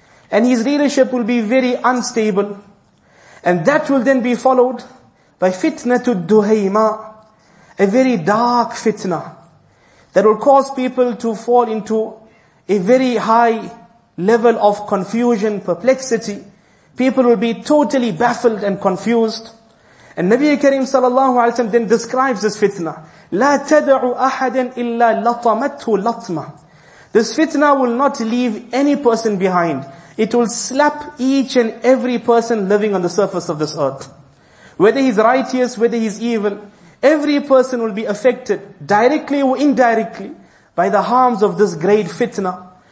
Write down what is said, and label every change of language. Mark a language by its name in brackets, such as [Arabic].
[English] And his leadership will be very unstable. And that will then be followed by fitnatu duhayma, a very dark fitna that will cause people to fall into a very high level of confusion, perplexity. People will be totally baffled and confused. And Nabi Kareem sallallahu alaihi wasallam then describes this fitna. [Arabic] لا تدع أحدا إلا لطمته لطمة. [English] This fitna will not leave any person behind. It will slap each and every person living on the surface of this earth. Whether he's righteous, whether he's evil, every person will be affected, directly or indirectly, by the harms of this great fitna.